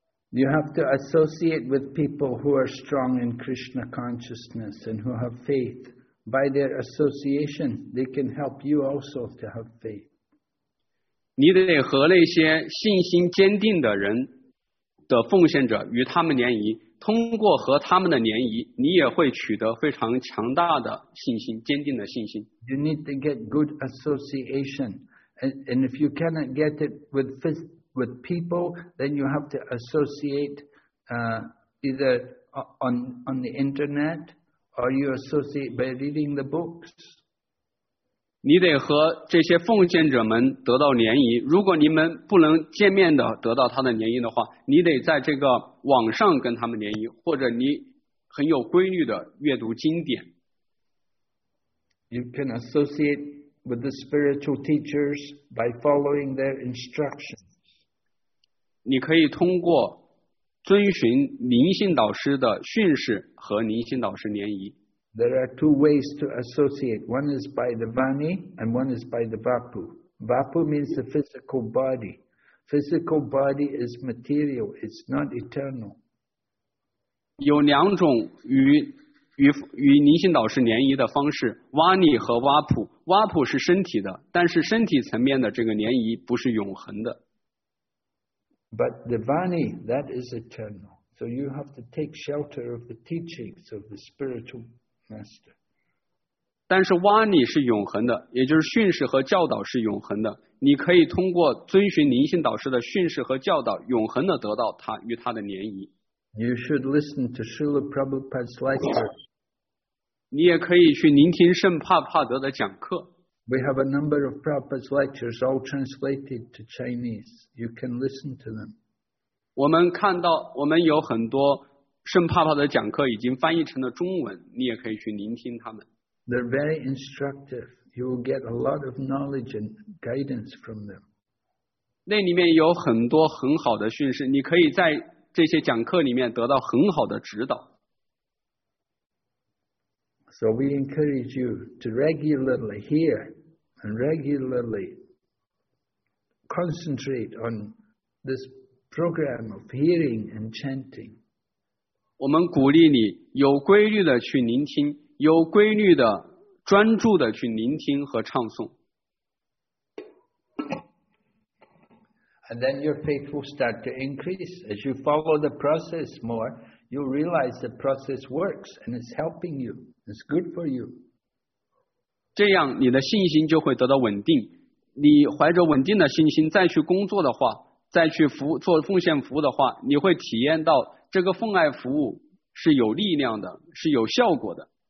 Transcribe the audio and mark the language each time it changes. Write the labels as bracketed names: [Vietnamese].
[English] You have to associate with people who are strong in Krishna consciousness and who have faith by their association, they can help you also to have faith. [Chinese] 你得和那些信心坚定的人的奉献者与他们联谊，通过和他们的联谊，你也会取得非常强大的信心，坚定的信心。 [English] You need to get good association, and if you cannot get it with people, then you have to associate either on the internet or you associate by reading the books. [Chinese] 你得和这些奉献者们得到联谊。如果你们不能见面的得到他的联谊的话，你得在这个网上跟他们联谊，或者你很有规律的阅读经典。 [English] You can associate with the spiritual teachers by following their instructions. [Chinese] 你可以通过遵循灵性导师的训示和灵性导师联谊。 [English] There are two ways to associate. One is by the Vani and one is by the Vapu. Vapu means the physical body. Physical body is material. It's not eternal. [Chinese] 有两种与灵性导师联谊的方式， Vani 和 Vapu. Vapu 是身体的，但是身体层面的这个联谊不是永恒的。 [English] But the Vani, that is eternal. So you have to take shelter of the teachings of the spiritual master. [Chinese] 但是瓦尼是永恒的，也就是训示和教导是永恒的。你可以通过遵循灵性导师的训示和教导，永恒的得到他与他的联谊。 [English] You should listen to Srila Prabhupada's lecture. [Chinese] 你也可以去聆听圣帕帕德的讲课。 [English] We have a number of Prabhupada's lectures all translated to Chinese. You can listen to them. [Chinese] 我们看到我们有很多圣帕帕的讲课已经翻译成了中文，你也可以去聆听他们。 [English] They're very instructive. You will get a lot of knowledge and guidance from them. [Chinese] 那里面有很多很好的训示，你可以在这些讲课里面得到很好的指导。 [English] So we encourage you to regularly hear and regularly concentrate on this program of hearing and chanting. [Chinese] 我们鼓励你有规律的去聆听，有规律的专注的去聆听和唱诵。 [English] And then your faith will start to increase. As you follow the process more, you'll realize the process works and it's helping you. It's good for you. [Chinese] 这样你的信心就会得到稳定。你怀着稳定的信心再去工作的话，再去做奉献服务的话，你会体验到这个奉爱服务是有力量的，是有效果的。